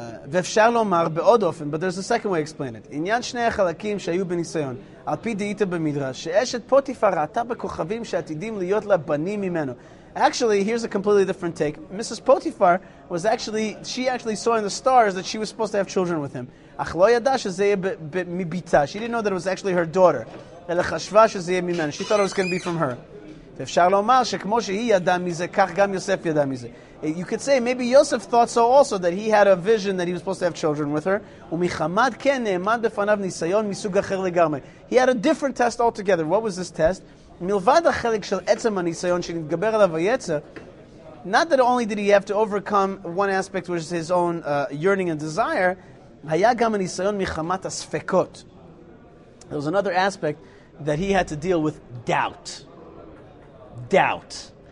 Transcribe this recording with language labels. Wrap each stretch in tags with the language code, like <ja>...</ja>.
<he>ואפשר לומר בעוד אופן,</he> <en>but there's a second way to explain it.</en> <he>עניין שני החלקים שהיו בניסיון, על פי דעית במדרש, שאשת פוטיפר ראתה בכוכבים שעתידים להיות לה בנים ממנו.</he> <en>Actually, here's a completely different take. Mrs. Potiphar was actually, she actually saw in the stars that she was supposed to have children with him.</en> <he>אך לא ידע שזה יהיה מביתה.</he> <en>She didn't know that it was actually her daughter.</en> <he>אלא חשבה שזה יהיה ממנו.</he> <en>She thought it was going to be from her.</en> <he>ואפשר לומר שכמו שהיא ידע מזה, כך גם יוסף ידע מזה.</he> <en>You could say, maybe Yosef thought so also, that he had a vision that he was supposed to have children with her.</en> <he>ומחמד כן נאמד בפניו ניסיון מסוג אחר לגמרי.</he> <en>He had a different test altogether. What was this test?</en> <he>מלבד החלק של עצם הניסיון שנתגבר עליו היצר,</he> <en>not that only did he have to overcome one aspect, which is his own yearning and desire,</en> <he>היה גם הניסיון מחמת הספקות.</he> <en>There was another aspect that he had to deal with, doubt. Doubt.</en>